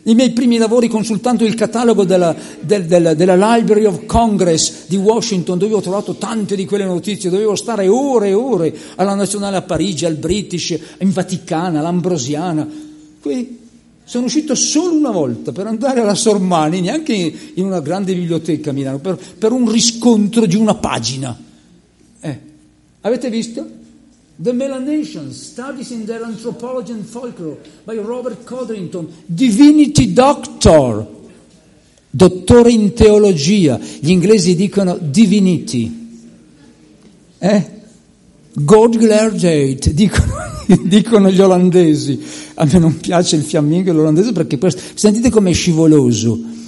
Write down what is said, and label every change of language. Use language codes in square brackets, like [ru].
[it] I miei primi lavori consultando il catalogo della Library of Congress di Washington, dove ho trovato tante di quelle notizie, dovevo stare ore e ore alla Nazionale a Parigi, al British, in Vaticana, all'Ambrosiana. Qui sono uscito solo una volta per andare alla Sormani, neanche in una grande biblioteca a Milano, per un riscontro di una pagina. Avete visto? [en] The Melanesians, Studies in their Anthropology and Folklore by Robert Codrington, Divinity Doctor, [it] dottore in teologia, gli inglesi dicono divinity, God glergeit, dicono gli olandesi. A me non piace il fiammingo e l'olandese perché questo, sentite com'è scivoloso.